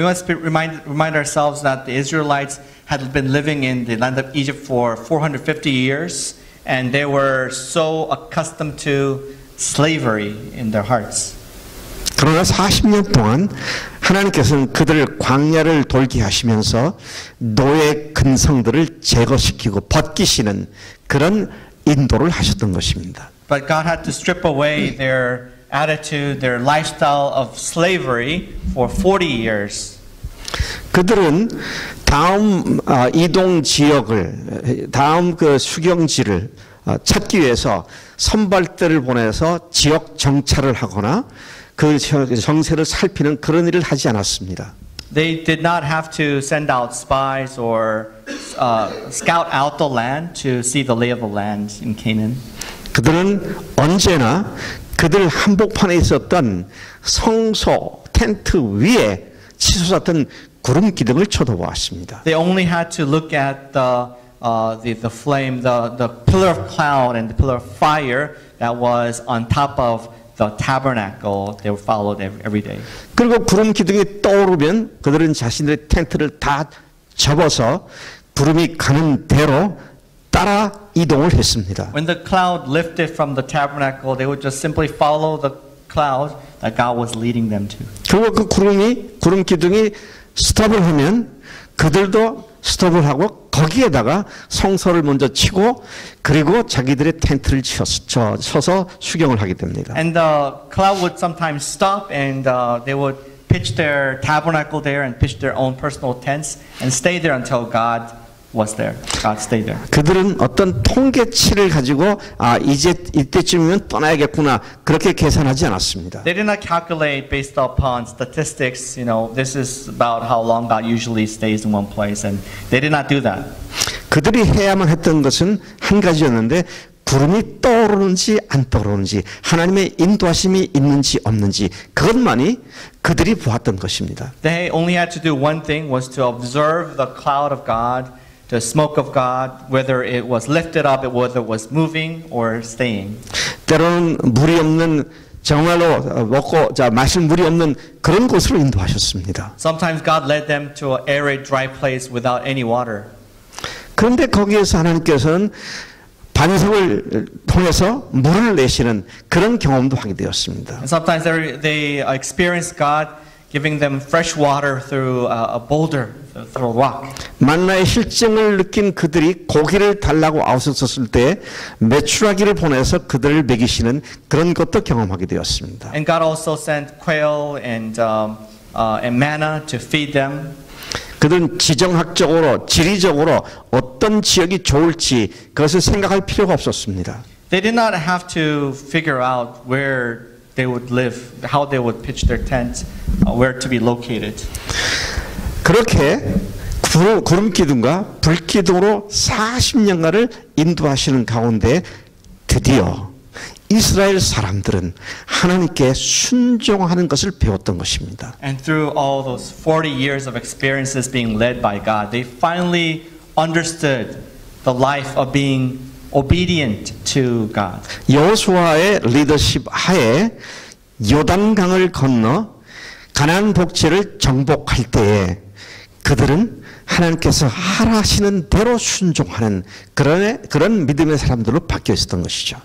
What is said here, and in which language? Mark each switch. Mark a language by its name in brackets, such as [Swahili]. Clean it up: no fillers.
[English] We must remind ourselves that the Israelites had been living in the land of Egypt for 450 years, and they were so accustomed to slavery in their hearts. [Korean] 그러나 40년 동안 하나님께서는 그들을 광야를 돌게 하시면서 노예 근성들을 제거시키고 벗기시는 그런 인도를 하셨던 것입니다. [English] But God had to strip away their attitude, their lifestyle of slavery for 40 years. [Korean] 그들은 다음 이동 지역을, 다음 그 수경지를 찾기 위해서 선발대를 보내서 지역 정찰을 하거나 그 정세를 살피는 그런 일을 하지 않았습니다. [English] They did not have to send out spies or scout out the land to see the lay of the land in Canaan. [Korean] 그들은 언제나 그들 한복판에 있었던 성소 텐트 위에 치솟았던 구름 기둥을 쳐다보았습니다. [English] They only had to look at the flame, the pillar of cloud and the pillar of fire that was on top of the tabernacle they followed every day. [Korean] 그리고 구름 기둥이 떠오르면 그들은 자신들의 텐트를 다 접어서 구름이 가는 대로 따라 이동을 했습니다. [English] When the cloud lifted from the tabernacle, they would just simply follow the cloud that God was leading them to. [Korean] 그리고 그 구름이 구름 기둥이 스톱을 하면 그들도 스톱을 하고 거기에다가 성서를 먼저 치고 그리고 자기들의 텐트를 쳐서 수경을 하게 됩니다. [English] And the cloud would sometimes stop and they would pitch their tabernacle there and pitch their own personal tents and stay there until God was there. God stayed there. [Korean] 그들은 어떤 통계치를 가지고 아 이제 이때쯤이면 떠나야겠구나 그렇게 계산하지 않았습니다. [English] They did not calculate based upon statistics. You know, this is about how long God usually stays in one place, and they did not do that. [Korean] 그들이 해야만 했던 것은 한 가지였는데 구름이 떠오르는지 안 떠오르는지 하나님의 인도하심이 있는지 없는지 그것만이 그들이 보았던 것입니다. [English] They only had to do one thing, was to observe the cloud of God. The smoke of God, whether it was lifted up, whether it was moving or staying. [Korean] 때로는 물이 없는 정말로 먹고 자 마실 물이 없는 그런 곳으로 인도하셨습니다. [English] Sometimes God led them to an arid, dry place without any water. [Korean] 그런데 거기에서 하나님께서는 반석을 통해서 물을 내시는 그런 경험도 하게 되었습니다. [English] And sometimes they experience God giving them fresh water through a boulder. Through a rock. [Korean] 만나의 실증을 느낀 그들이 고기를 달라고 아우셨을 때 메추라기를 보내서 그들을 먹이시는 그런 것도 경험하게 되었습니다. [English] And God also sent quail and manna to feed them. [Korean] 그들은 지정학적으로 지리적으로 어떤 지역이 좋을지 그것을 생각할 필요가 없었습니다. [English] They did not have to figure out where they would live, how they would pitch their tents, where to be located. [Korean] 그렇게 구름 기둥과 불 기둥으로 40년간을 인도하시는 가운데 드디어 이스라엘 사람들은 하나님께 순종하는 것을 배웠던 것입니다. [English] And through all those 40 years of experiences being led by God, they finally understood the life of being obedient to God. [Korean] 여호수아의 리더십 하에 요단강을 건너 가나안 복지를 정복할 때에 그들은 하나님께서 하라시는 대로 순종하는 그런 믿음의 사람들로 바뀌어 있었던 것이죠.